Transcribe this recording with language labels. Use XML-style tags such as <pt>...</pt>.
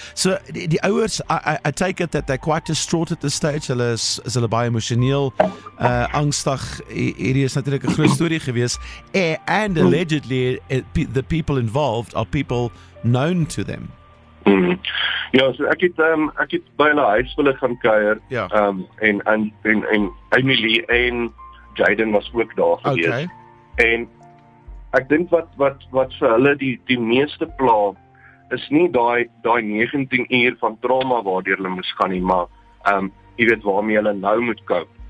<af>So die ouers,</af> <en>I take it that they're quite distraught at this stage.</en> <af>Hulle is hulle baie emosioneel, angstig. Hierdie is natuurlik 'n groot storie gewees.</af> <en>And allegedly, the people involved are people known to them.</en> <af>Ja, so ek het by hulle huis hulle gaan kuier.</af> <en>Yeah.</en> <af>En Emily en Jayden was ook daar gewees.</af> <en>Okay.</en> <af>En ek dink wat vir hulle die meeste pla is nie daai 19 uur van trauma waardeur hulle moes gaan nie, maar jy weet waarmee hulle nou moet koop.</af>